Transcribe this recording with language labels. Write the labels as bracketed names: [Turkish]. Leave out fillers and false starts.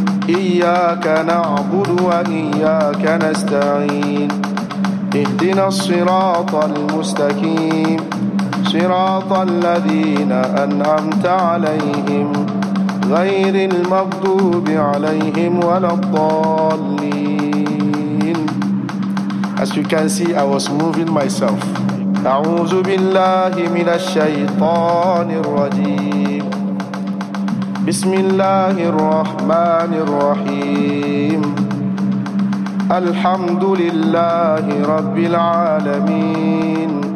[Arabic] إياك نعبد وإياك نستعين اهدنا الصراط المستقيم صراط الذين أنعمت عليهم غير المغضوب عليهم ولا الضالين. [English] As you can see, I was moving myself. [Arabic] أعوذ بالله من الشيطان الرجيم. بسم الله الرحمن الرحيم الحمد لله رب العالمين